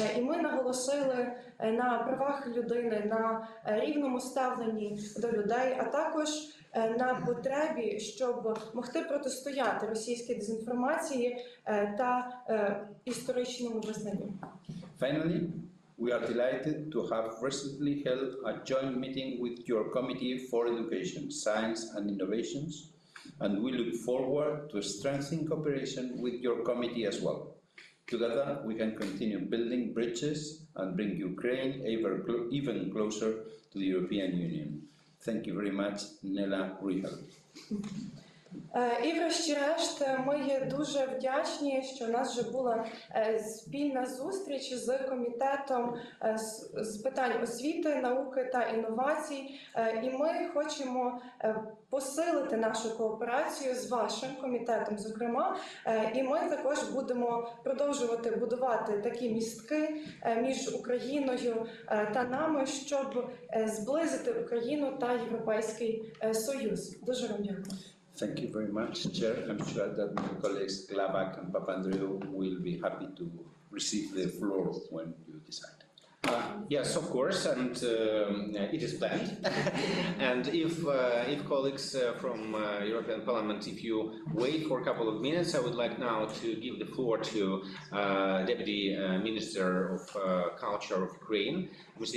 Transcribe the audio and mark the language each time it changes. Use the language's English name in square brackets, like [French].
[Ukrainian] І ми наголосили на правах людини, на рівному ставленні до людей, а також на потребі, щоб могти протистояти російській дезінформації та історичному визнанню. [English] Finally, we are delighted to have recently held a joint meeting with your Committee for Education, Science and Innovations, and we look forward to strengthening cooperation with your committee as well. Together, we can continue building bridges and bring Ukraine even closer to the European Union. Thank you very much, Nela Rihal. [Ukrainian] І врешті-решт, ми є дуже вдячні, що у нас вже була спільна зустріч з комітетом з питань освіти, науки та інновацій. І ми хочемо посилити нашу кооперацію з вашим комітетом, зокрема. І ми також будемо продовжувати будувати такі містки між Україною та нами, щоб зблизити Україну та Європейський Союз. Дуже вам дякую. [English] Thank you very much, Chair. I'm sure that my colleagues Glavak and Papandreou will be happy to receive the floor when you decide. Yes, of course, and it is planned. And if colleagues from European Parliament, if you wait for a couple of minutes, I would like now to give the floor to Deputy Minister of Culture of Ukraine, Mr.